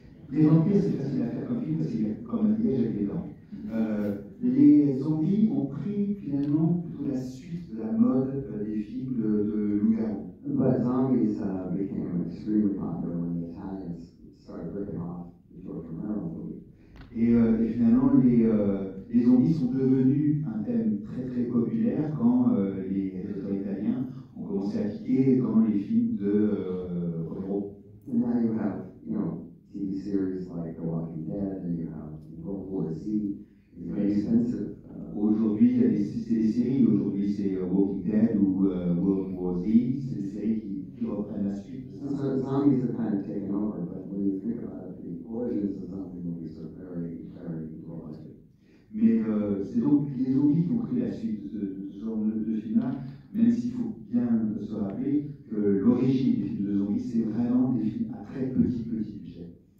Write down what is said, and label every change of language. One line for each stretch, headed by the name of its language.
French: Les vampires, c'est facile à faire comme film parce qu'il y a comme un liège avec les dents. Les zombies ont pris finalement plutôt la suite de la mode des films de loup-garou.
English: But zombies became extremely popular when the Italians started ripping off the George Romero movie.
French: Et finalement, les zombies sont devenus un thème très très populaire quand les réalisateurs italiens ont commencé à piquer dans les films de Romero.
English: And now you have, you know, TV series like The Walking Dead, and you have World War Z.
French: Aujourd'hui, il y a des séries. Aujourd'hui, c'est Walking Dead ou World War Z. C'est des séries qui reprennent la suite.
English: So zombies are kind of taken over, but when you think about it, the origins of zombie movies are very, very broad.
French: Mais c'est donc les zombies qui ont créé la suite de ce genre de film-là, même s'il faut bien se rappeler que l'origine des films de zombies, c'est vraiment des films à très petit budget.